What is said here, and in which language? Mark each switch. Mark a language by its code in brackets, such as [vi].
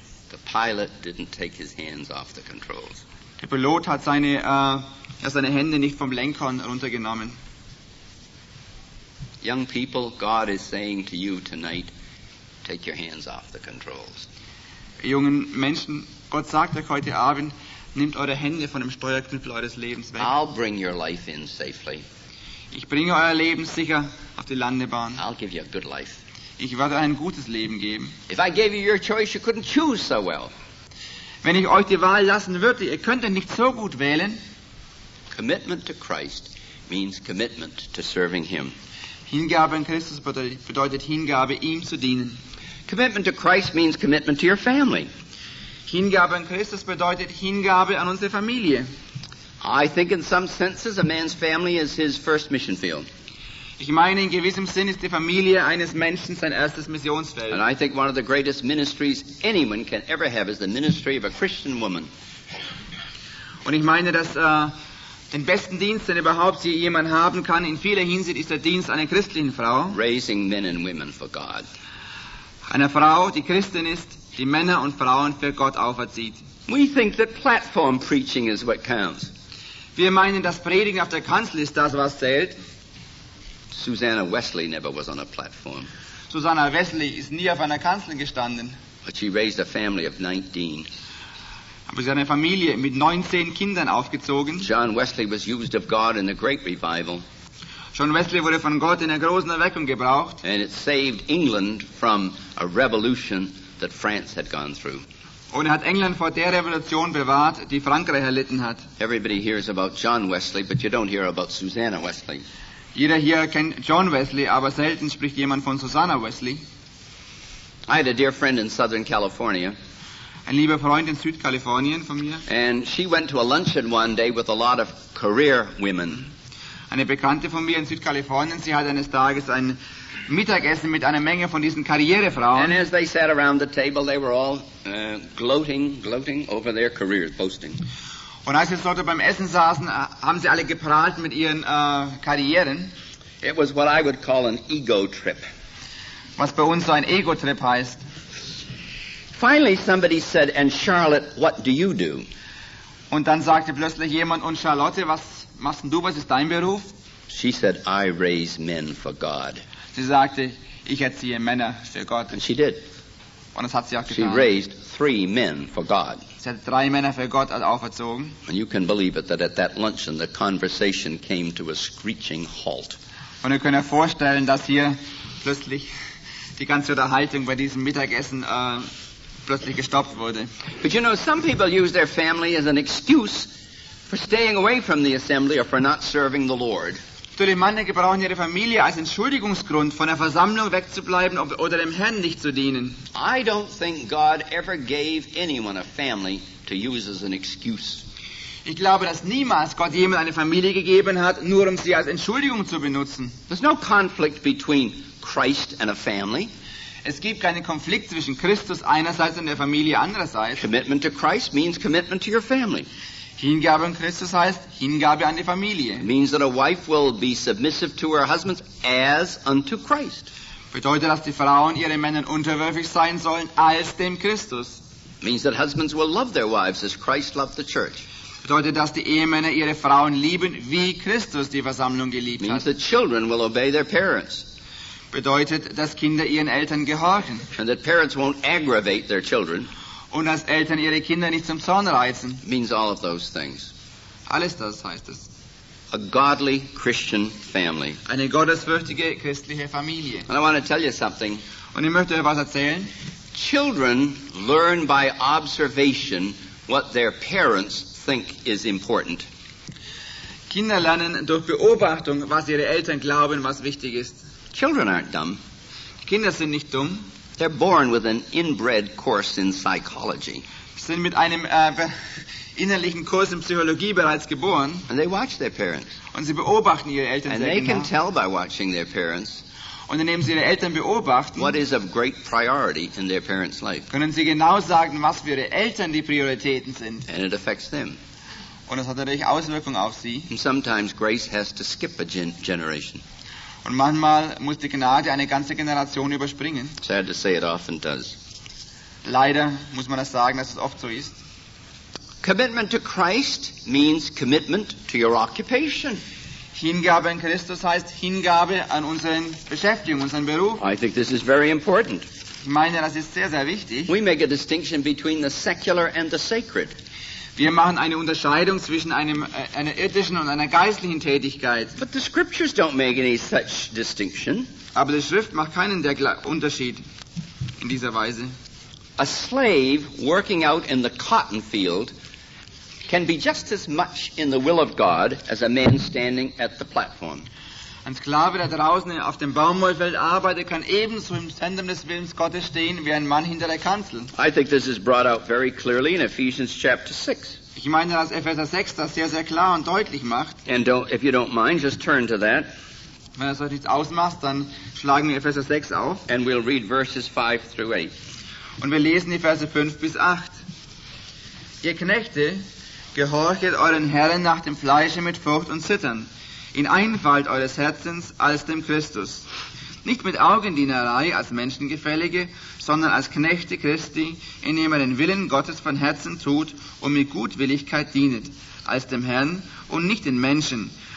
[en] The pilot didn't take his hands off the controls. [de] Der Pilot hat seine Hände nicht vom Lenkhorn runtergenommen. [en] Young people, God is saying to you tonight, take your hands off the controls. [de] Jungen Menschen, Gott sagt euch heute Abend, nehmt eure Hände von dem Steuerknüppel eures Lebens weg. [en] I'll bring your life in safely. [de] Ich bringe euer Leben sicher auf die Landebahn. [en] I'll give you a good life. [de] Ich werde ein gutes Leben geben. [en] If I gave you your choice, you couldn't choose so well. [de] Wenn ich euch die Wahl lassen würde, ihr könntet nicht so gut wählen. [en] Commitment to Christ means commitment to serving him. [de] Hingabe an Christus bedeutet Hingabe, ihm zu dienen. [en] Commitment to Christ means commitment to your family. [de] Hingabe an Christus bedeutet Hingabe an unsere Familie. [en] I think in some senses a man's family is his first mission field. [de] Ich meine, in gewissem Sinn ist die Familie eines Menschen sein erstes Missionsfeld. [en] And I think one of the greatest ministries anyone can ever have is the ministry of a Christian woman. [de] Und ich meine, dass den besten Dienst, den überhaupt jemand haben kann, in vieler Hinsicht ist der Dienst einer christlichen Frau. [en] Raising men and women for God. [de] Einer Frau, die Christin ist, die Männer und Frauen für Gott auferzieht. [en] We think that platform preaching is what counts. [de] Wir meinen, dass Predigen auf der Kanzel ist das, was zählt. [en] Susanna Wesley never was on a platform. [de] Susanna Wesley ist nie auf einer Kanzel gestanden. [en] But she raised a family of 19. [de] Aber sie hat eine Familie mit 19 Kindern aufgezogen. [en] John Wesley was used of God in the Great Revival. [de] John Wesley wurde von Gott in der großen Erweckung gebraucht. [en] And it saved England from a revolution that France had gone through. [de] Und er hat England vor der Revolution bewahrt, die Frankreich erlitten hat. [en] Everybody hears about John Wesley, but you don't hear about Susanna Wesley. [de] Jeder hier kennt John Wesley, aber selten spricht jemand von Susanna Wesley. [en] I had a dear friend in Southern California. [de] Ein lieber Freund in Südkalifornien von mir. [en] And she went to a luncheon one day with a lot of career women. [de] Eine Bekannte von mir in Südkalifornien, sie hat eines Tages ein Mittagessen mit einer Menge von diesen Karrierefrauen. [en] And as they sat around the table, they were all gloating over their careers, boasting. [de] Und als sie dort beim Essen saßen, haben sie alle geprahlt mit ihren Karrieren. [en] It was what I would call an ego trip. [de] Was bei uns so ein Ego-Trip heißt. [en] Finally somebody said, and Charlotte, what do you do? [de] Und dann sagte plötzlich jemand, und Charlotte, was machst du, was ist dein Beruf? [en] She said, I raise men for God. [de] Sie sagte, ich erziehe Männer für Gott. [en] And she did. [de] Und das hat sie auch getan. [en] She raised 3 men for God. [de] Sie hat 3 Männer für Gott auferzogen. [en] And you can believe it that at that luncheon the conversation came to a screeching halt. [de] Und ihr könnt euch vorstellen, dass hier plötzlich die ganze Unterhaltung bei diesem Mittagessen plötzlich gestoppt wurde. [en] But you know, some people use their family as an excuse for staying away from the assembly or for not serving the Lord. [de] Natürlich, manche brauchen ihre Familie als Entschuldigungsgrund, von der Versammlung wegzubleiben oder dem Herrn nicht zu dienen. [en] I don't think God ever gave anyone a family to use as an excuse. [de] Ich glaube, dass niemals Gott jemand eine Familie gegeben hat, nur um sie als Entschuldigung zu benutzen. [en] There's no conflict between Christ and a family. [de] Es gibt keinen Konflikt zwischen Christus einerseits und der Familie andererseits. [en] Commitment to Christ means commitment to your family. [de] Hingabe an Christus heißt Hingabe an die Familie. [en] It means that a wife will be submissive to her husband as unto Christ. [de] Bedeutet, dass die Frauen ihren Männern unterwürfig sein sollen als dem Christus. [en] It means that husbands will love their wives as Christ loved the church. [de] Bedeutet, dass die Ehemänner ihre Frauen lieben, wie Christus die Versammlung geliebt [en] means [de] hat. [en] Means that children will obey their parents. [de] Bedeutet, dass Kinder ihren Eltern gehorchen. [en] And that parents won't aggravate their children. [de] Und dass Eltern ihre Kinder nicht zum Zorn reizen. [en] Means all of those things. [de] Alles das heißt es. [en] A godly Christian family. [de] Eine gottesfürchtige christliche Familie. [en] And I want to tell you something. [de] Und ich möchte euch was erzählen. [en] Children learn by observation what their parents think is important. [de] Kinder lernen durch Beobachtung, was ihre Eltern glauben, was wichtig ist. [en] Children aren't dumb. [de] Kinder sind nicht dumm. [en] They're born with an inbred course in psychology. [de] Sind mit einem innerlichen Kurs in Psychologie bereits geboren. [en] And they watch their parents. [de] Und sie beobachten ihre Eltern [en] and [de] sehr genau. [en] And they can tell by watching their parents. [de] Und indem sie ihre Eltern beobachten, [en] what is of great priority in their parents' life. [de] Können sie genau sagen, was für ihre Eltern die Prioritäten sind. [en] And it affects them. [de] Und es hat natürlich Auswirkungen auf sie. [en] And sometimes grace has to skip a generation. [de] Und manchmal muss die Gnade eine ganze Generation überspringen. [en] Sad to say, it often does. [de] Leider muss man das sagen, dass es oft so ist. [en] Commitment to Christ means commitment to your occupation. [de] Hingabe an Christus heißt Hingabe an unseren Beschäftigung, unseren Beruf. [en] I think this is very important. [de] Ich meine, das ist sehr, sehr wichtig. [en] We make a distinction between the secular and the sacred. [de] Wir machen eine Unterscheidung zwischen einer irdischen und einer geistlichen Tätigkeit. [en] But the scriptures don't make any such distinction. [de] Aber die Schrift macht keinen Unterschied in dieser Weise. [en] A slave working out in the cotton field can be just as much in the will of God as a man standing at the platform. [de] Ein Sklave, der draußen auf dem Baumwollfeld arbeitet, kann ebenso im Zentrum des Willens Gottes stehen wie ein Mann hinter der Kanzel. [en] I think this is brought out very clearly in Ephesians chapter 6. [de] Ich meine, dass Epheser 6 das sehr, sehr klar und deutlich macht. [en] And if you don't mind, just turn to that. [de] Wenn es euch nichts ausmacht, dann schlagen wir Epheser 6 auf. [en] And we'll read verses 5 through 8. [de] Und wir lesen die Verse 5 bis 8. Ihr Knechte, gehorchet euren Herren nach dem Fleische mit Furcht und Zittern. In Einfalt eures Herzens als dem Christus. Nicht mit Augendienerei als Menschengefällige, sondern als Knechte Christi, indem er den Willen Gottes von Herzen tut und mit Gutwilligkeit dienet, als dem Herrn und nicht den Menschen.